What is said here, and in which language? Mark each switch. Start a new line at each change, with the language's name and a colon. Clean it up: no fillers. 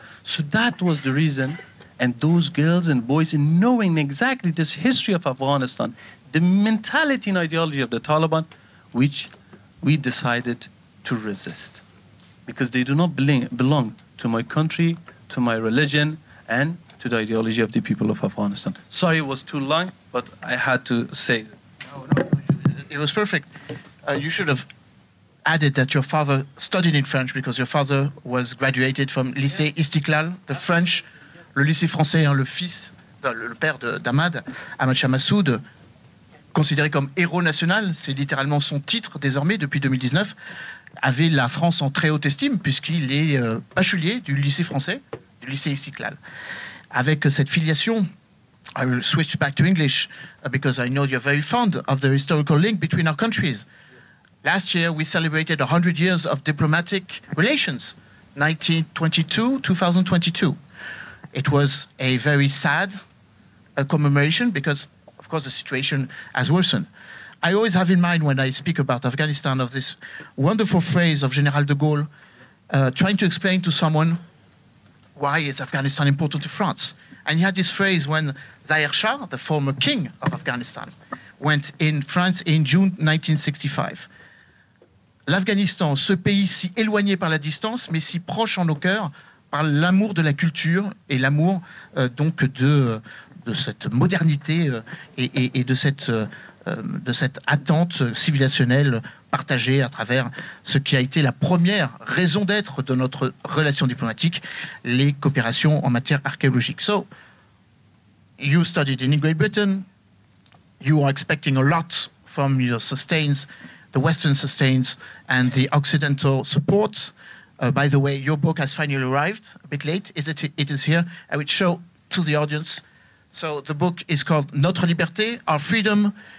English: So that was the reason, and those girls and boys, in knowing exactly this history of Afghanistan, the mentality and ideology of the Taliban, which we decided to resist because they do not belong to my country, to my religion, and to the ideology of the people of Afghanistan. Sorry it was too long, but I had to say it. No, it was perfect. You should have added that your father studied in French because your father was graduated from Lycée yes.
French: Istiklal,
English: the French, yes.
French: Le lycée français, hein, le fils, le père d'Ahmad, Ahmad Massoud, considéré comme héros national, c'est littéralement son titre désormais depuis 2019, avait la France en très haute estime puisqu'il est bachelier du lycée français, du lycée Istiklal. Avec cette filiation,
English: I will switch back to English because I know you're very fond of the historical link between our countries. Yes. Last year, we celebrated 100 years of diplomatic relations, 1922. It was a very sad commemoration because, of course, the situation has worsened. I always have in mind when I speak about Afghanistan of this wonderful phrase of General de Gaulle, trying to explain to someone why is Afghanistan important to France. And he had this phrase when Zahir Shah, the former king of Afghanistan, went in France in June 1965.
French: L'Afghanistan, ce pays si éloigné par la distance, mais si proche en nos cœurs, par l'amour de la culture et l'amour donc de cette modernité et de cette attente civilisationnelle partagée à travers ce qui a été la première raison d'être de notre relation diplomatique, les coopérations en matière archéologique.
English: So, you studied in Great Britain. You are expecting a lot from your sustains, the Western sustains and the Occidental support. By the way, your book has finally arrived a bit late. Is it? It is here. I will show to the audience. So the book is called Notre Liberté, Our Freedom.